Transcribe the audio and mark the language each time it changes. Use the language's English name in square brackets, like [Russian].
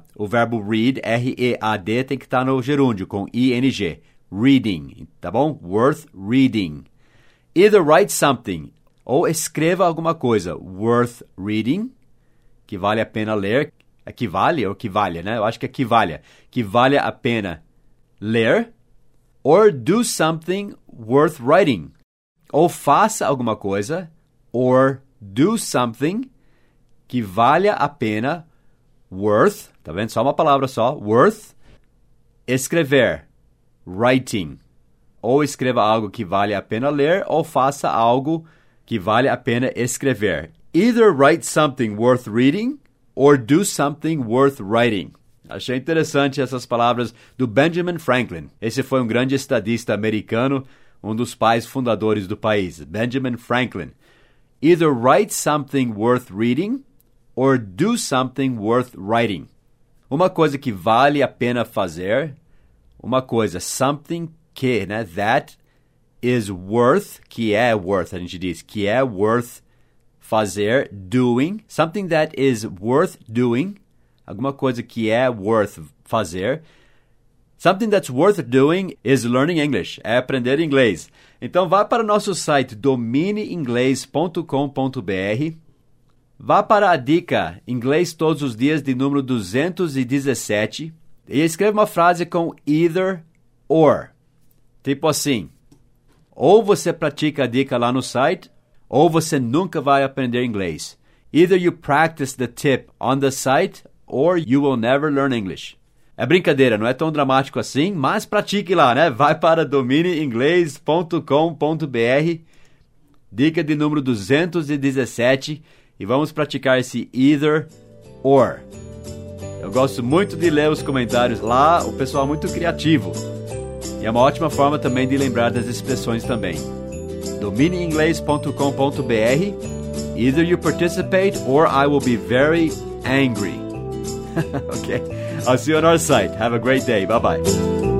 [Portuguese] O verbo read, R-E-A-D, tem que estar no gerúndio com ing. [English] Reading, [Portuguese] tá bom? [English] Worth reading. Either write something, [Portuguese] ou escreva alguma coisa. [English] Worth reading, [Portuguese] que vale a pena ler. É que vale ou que valha, né? Eu acho que é que valha. Que vale a pena ler. [English] Or do something worth writing. [Portuguese] Ou faça alguma coisa, [English] or do something, [Portuguese] que valha a pena, worth, tá vendo? Só uma palavra só, worth, escrever. Writing. Ou escreva algo que vale a pena ler, ou faça algo que vale a pena escrever. [English] Either write something worth reading, or do something worth writing. [Portuguese] Achei interessante essas palavras do Benjamin Franklin. Esse foi um grande estadista americano, um dos pais fundadores do país, Benjamin Franklin. [English] Either write something worth reading, or do something worth writing. [Portuguese] Uma coisa que vale a pena fazer. Uma coisa, something que, né, [English] that is worth, [Portuguese] que é worth, a gente diz, que é worth fazer, [English] doing, something that is worth doing, [Portuguese] alguma coisa que é worth fazer, [English] something that's worth doing is learning English, [Portuguese] é aprender inglês. Então, vá para o nosso site, domineinglês.com.br, vá para a dica, inglês todos os dias, de número 217, e escreva uma frase com either or. Tipo assim, ou você pratica a dica lá no site, ou você nunca vai aprender inglês. [English] Either you practice the tip on the site, or you will never learn English. [Portuguese] É brincadeira, não é tão dramático assim, mas pratique lá, né? Vai para domineinglês.com.br, dica de número 217, e vamos praticar esse either or. Eu gosto muito de ler os comentários lá, o pessoal é muito criativo. E é uma ótima forma também de lembrar das expressões também. domineinglês.com.br. [English] Either you participate or I will be very angry. Okay, I'll see you on our site. Have a great day. Bye-bye.